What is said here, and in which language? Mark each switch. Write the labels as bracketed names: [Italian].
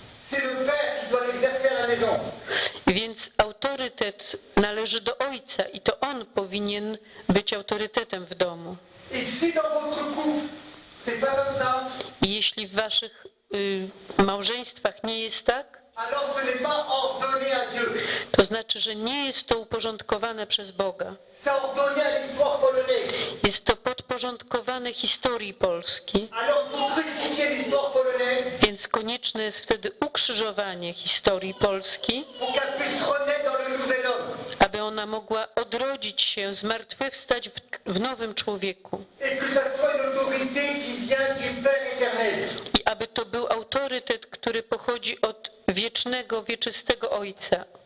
[French] C'est le père qui doit l'exercer à la maison. [Polish] Więc autorytet należy do ojca i to on powinien być autorytetem w domu. [French] Et si dans votre couple, c'est pas comme ça, [Polish] i jeśli w waszych małżeństwach nie jest tak, [French] alors ce n'est pas ordonné à Dieu. [Polish] To znaczy, że nie jest to uporządkowane przez Boga. [French] C'est ordonné à l'histoire polonaise. [Polish] Jest to podporządkowane historii Polski. [French] Alors vous crucifiez l'histoire polonaise. [Polish] Więc konieczne jest wtedy ukrzyżowanie historii Polski, [French] pour qu'elle puisse renaître dans le nouvel homme. [Polish] Aby ona mogła odrodzić się, zmartwychwstać w nowym człowieku. [French] Et que ça soit une autorité qui vient du Père éternel. [Polish] I aby to był autorytet, który pochodzi od wiecznego, wieczystego Ojca.